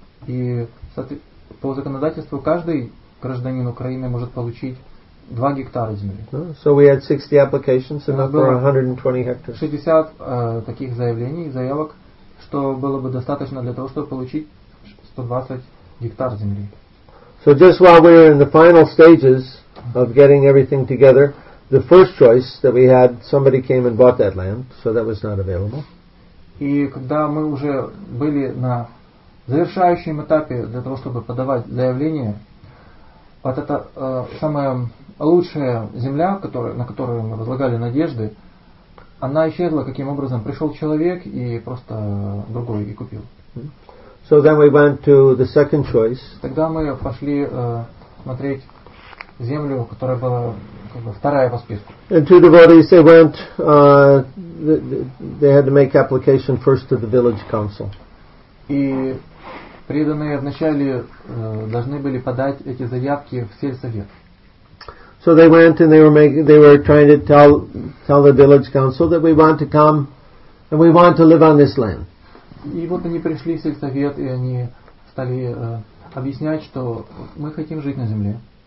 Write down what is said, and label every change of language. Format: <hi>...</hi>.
<ru>И по законодательству каждый гражданин Украины может получить 2 гектара земли.</ru> <en>So we had 60 applications, enough for 120 hectares.</en> <ru>60 таких заявок, что было бы достаточно для того, чтобы получить 120 гектар земли.</ru> <en>So just while we were in the final stages of getting everything together, the first choice that we had, somebody came and bought that land, so that was not available.</en> <ru>И когда мы уже были на завершающем этапе для того, чтобы подавать заявление, вот эта самая лучшая земля, на которую мы возлагали надежды, она исчезла. Каким образом? Пришел человек и просто другой и купил.</ru> <en>So then we went to the second choice.</en> <ru>Тогда мы пошли смотреть землю, которая была как бы вторая по списку.</ru> <en>And 2 devotees, they went, they had to make application first to the village council.</en> <ru>И преданные вначале должны были подать эти заявки в сельсовет.</ru> <en>So they went and they were trying to tell the village council that we want to come and we want to live on this land.</en> <ru>И вот они пришли в сельсовет и они стали объяснять, что мы хотим жить на земле.</ru>